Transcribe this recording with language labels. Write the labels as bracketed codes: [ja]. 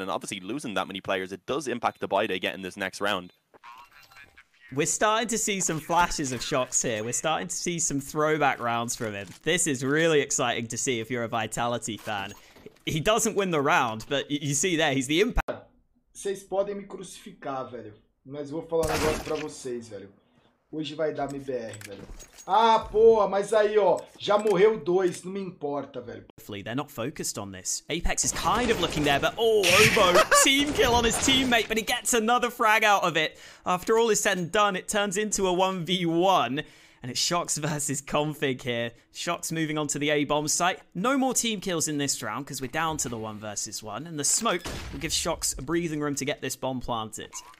[en] And obviously losing that many players, it does impact the buy they get in this next round. We're starting to see some flashes of shox here. We're starting to see some throwback rounds from him. This is really exciting to see if you're a Vitality fan. He doesn't win the round, but you see there, he's the impact. [pt] Vocês podem me crucificar, velho. Mas vou falar um negócio pra vocês, velho. Hoje vai dar MIBR, velho. Ah, porra, mas aí, ó, já morreu dois, não me importa, velho. [en] Hopefully they're not focused on this. Apex is kind of looking there, but oh, Obo, team kill on his teammate, but he gets another frag out of it. After all is said and done, it turns into a 1v1, and it's shox versus config here. Shox moving on to the A bomb site. No more team kills in this round, because we're down to the 1v1, and the smoke will give shox a breathing room to get this bomb planted.